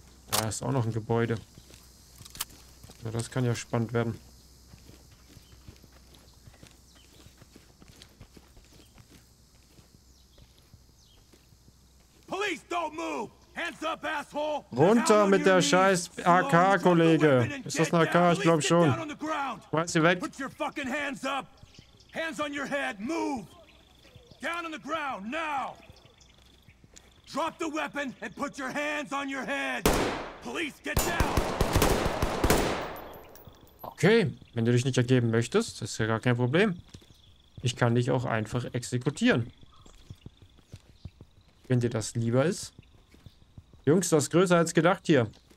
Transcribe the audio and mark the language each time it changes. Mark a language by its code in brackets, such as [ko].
[de] Da ist auch noch ein Gebäude. Ja, das kann ja spannend werden. [en] Police, don't move! Hands up, asshole! [de] Runter mit der scheiß AK, Kollege! Ist das eine AK? Ich glaube schon. Schmeiß sie weg. [en] Put your fucking hands up! Hands on your head, move! Down on the ground, now! Drop the weapon and put your hands on your head! Police, get down! [de] Okay, wenn du dich nicht ergeben möchtest, ist ja gar kein Problem. Ich kann dich auch einfach exekutieren. Wenn dir das lieber ist. Jungs, das ist größer als gedacht hier.